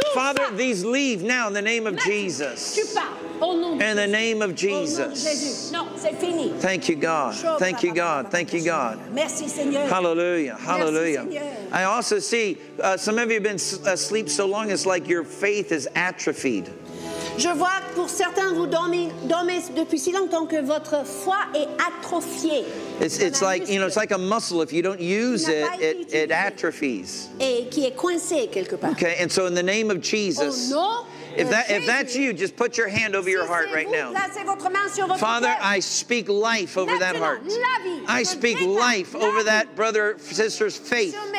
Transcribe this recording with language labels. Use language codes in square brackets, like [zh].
[en] Father, these leave now in the name of Jesus. In the name of Jesus. Thank you, God. Thank you, God. Thank you, God. [fr] Merci, Seigneur. [en] Hallelujah. Hallelujah. I also see some of you have been asleep so long, it's like your faith is atrophied. [fr] Je vois pour certains vous dormez depuis si longtemps que votre foi est atrophiée. [en] It's like, you know, it's like a muscle. If you don't use it, it atrophies. [fr] Et qui est coincé quelque part. [en] Okay, and so in the name of Jesus. Oh, no. If that's you, just put your hand over your heart right now. Father, I speak life over that heart. I speak life over that brother or sister's faith.